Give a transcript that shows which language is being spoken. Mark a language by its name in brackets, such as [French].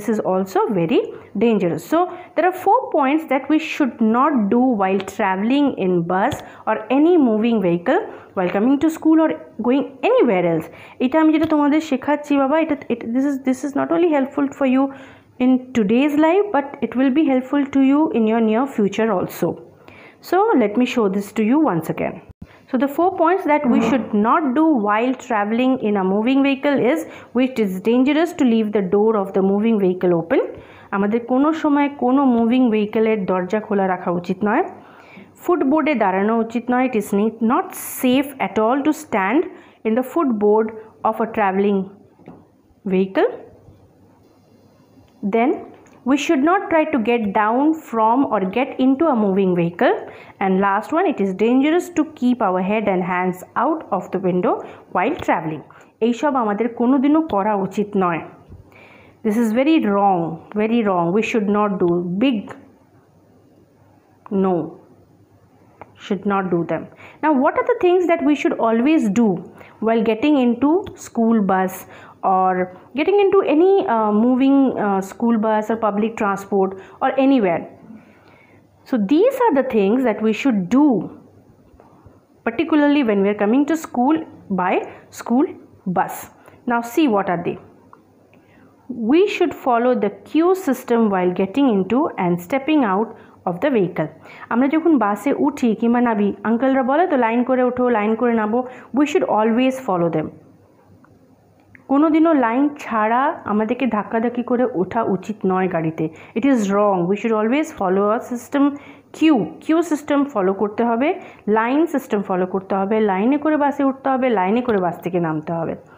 [English] This is also very dangerous. So there are four points that we should not do while travelling in bus or any moving vehicle, while coming to school or going anywhere else. [Bangla] এটা আমি যেটা তোমাদের শেখাচ্ছি বাবা, এটা [English] This is not only helpful for you in today's life, but it will be helpful to you in your near future also. So let me show this to you once again. So the four points that we should not do while traveling in a moving vehicle is, which is dangerous to leave the door of the moving vehicle open. [Bangla] আমাদের কোনো সময় কোনো moving ভেহিকেলের দরজা খোলা রাখা উচিত নয়। ফুটবোর্ডে দাঁড়ানো উচিত নয়। [English] It is not safe at all to stand in the footboard of a travelling vehicle. Then we should not try to get down from or get into a moving vehicle. And last one, it is dangerous to keep our head and hands out of the window while traveling. [Bangla] ei sob amader kono dino kora uchit noy. [English] This is very wrong, very wrong. We should not do big no, should not do them. Now what are the things that we should always do while getting into school bus or getting into any moving school bus or public transport or anywhere? So these are the things that we should do, particularly when we are coming to school by school bus. Now see, what are they? We should follow the queue system while getting into and stepping out of the vehicle. [Bangla] আমরা যখন বাসে উঠি কিংবা নামি, আঙ্কলরা বলে তো line করে ওঠো, লাইন করে নামো, [English] We should always follow them. [Bangla] কোনো দিনও লাইন ছাড়া আমাদেরকে ধাক্কাধাক্কি করে ওঠা উচিত নয় গাড়িতে। [English] it is wrong, we should always follow a system, [Bangla] Q system follow করতে হবে, লাইন সিস্টেম ফলো করতে হবে, লাইনে করে বাসে উঠতে হবে, লাইনে করে বাস থেকে নামতে হবে।